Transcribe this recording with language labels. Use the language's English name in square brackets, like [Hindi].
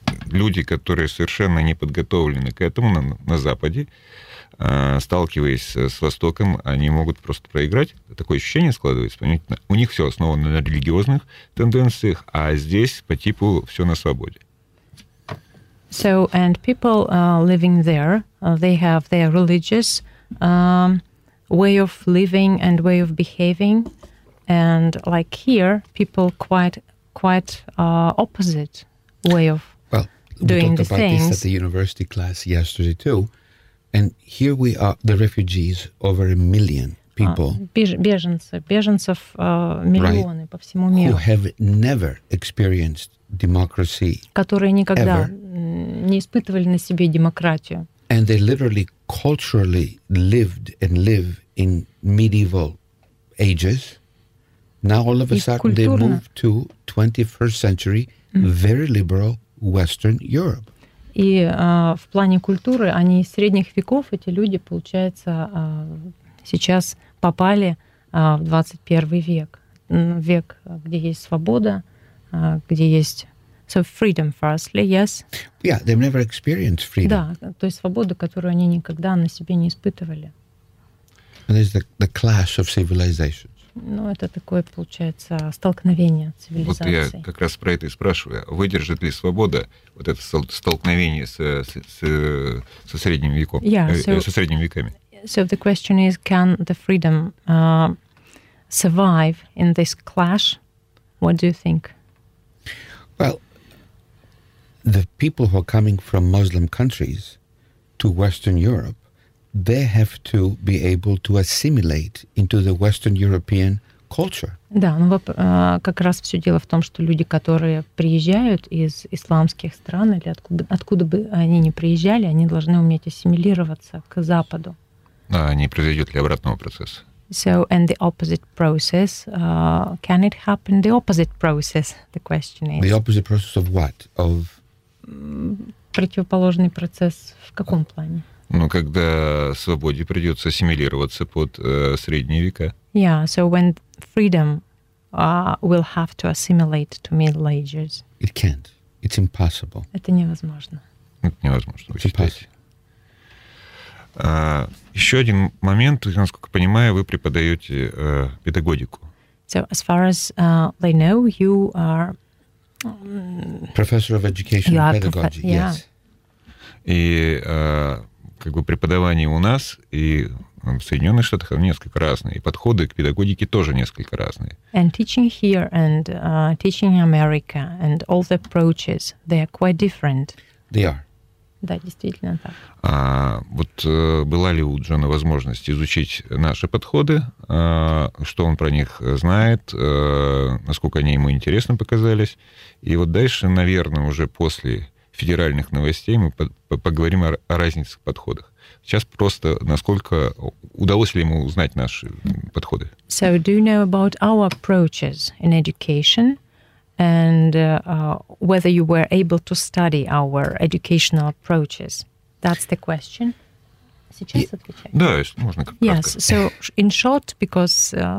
[Russian] Люди, которые совершенно не подготовлены к этому на Западе, сталкиваясь с Востоком, они могут просто проиграть. Такое ощущение складывается. Понимаете? У них все основано на религиозных тенденциях, а здесь по типу все на свободе. [English] So, and people living there, they have their religious... way of living and way of behaving, and like here, people quite opposite way of doing the things. We talked about this at the university class yesterday too. And here we are, the refugees, over a million people. [Russian] Беженцы в миллионы по всему миру. [English] Who have never experienced democracy. [Russian] Которые никогда не испытывали на себе демократию. [English] And they literally culturally lived and live in medieval ages. Now all of a sudden they move to 21st century, very liberal Western Europe. [Russian] И в плане культуры они из средних веков, эти люди, получается, сейчас попали в 21 век. Век, где есть свобода, где есть... [English] So freedom, firstly, yes. Yeah, they've never experienced freedom. [Russian] Да, то есть свободу, которую они никогда на себе не испытывали. [English] And there's the clash of civilizations. [Russian] Ну, это такое, получается, столкновение цивилизаций. Вот я как раз про это и спрашиваю. Выдержит ли свобода вот это столкновение со средним веком, со средними веками? [English] So the question is, can the freedom survive in this clash? What do you think? Well, the people who are coming from Muslim countries to Western Europe, they have to be able to assimilate into the Western European culture. [Russian] Да, ну как раз все дело в том, что люди, которые приезжают из исламских стран или откуда бы они ни приезжали, они должны уметь ассимилироваться к Западу. А не произойдет ли обратного процесса? [English] So, and the opposite process, can it happen? The opposite process, the question is. The opposite process of what? Of... [Russian] Противоположный процесс в каком плане? Ну, когда свободе придется ассимилироваться под средние века. [English] Yeah, so when freedom will have to assimilate to Middle Ages. It can't. It's impossible. [Russian] Это невозможно. Это невозможно. [English] It's impossible. [Russian] Еще один момент, насколько понимаю, вы преподаете педагогику. [English] So as far as they know, you are... Professor of Education and Pedagogy, yeah. Yes. [Russian] Как бы преподавание у нас и в Соединенных Штатах несколько разные, и подходы к педагогике тоже несколько разные. [English] And teaching here and teaching in America and all the approaches, they are quite different. They are. [Russian] Да, действительно так. А вот была ли у Джона возможность изучить наши подходы, что он про них знает, насколько они ему интересны показались, и вот дальше, наверное, уже после федеральных новостей, мы поговорим о разнице в подходах. Сейчас просто, насколько удалось ли ему узнать наши подходы. [English] So, do you know about our approaches in education and whether you were able to study our educational approaches? That's the question. [Russian] Сейчас отвечаю. Да, можно кратко. [English] Yes, so, in short, because...